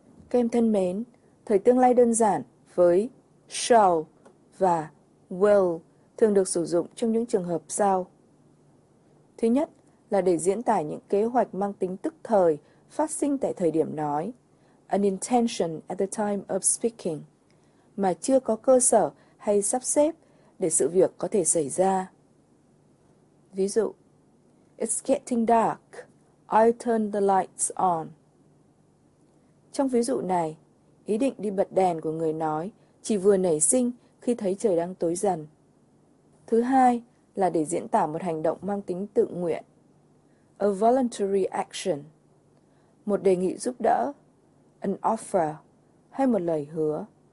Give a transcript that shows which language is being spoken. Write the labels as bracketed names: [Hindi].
[Vietnamese] Các em thân mến, thời tương lai đơn giản với shall và will thường được sử dụng trong những trường hợp sau. Thứ nhất là để diễn tả những kế hoạch mang tính tức thời phát sinh tại thời điểm nói, [English] an intention at the time of speaking, [Vietnamese] mà chưa có cơ sở hay sắp xếp để sự việc có thể xảy ra. Ví dụ, [English] it's getting dark, I'll turn the lights on. [Vietnamese] Trong ví dụ này, ý định đi bật đèn của người nói chỉ vừa nảy sinh khi thấy trời đang tối dần. Thứ hai là để diễn tả một hành động mang tính tự nguyện. [English] A voluntary action. [Vietnamese] Một đề nghị giúp đỡ. [English] An offer. [Vietnamese] Hay một lời hứa.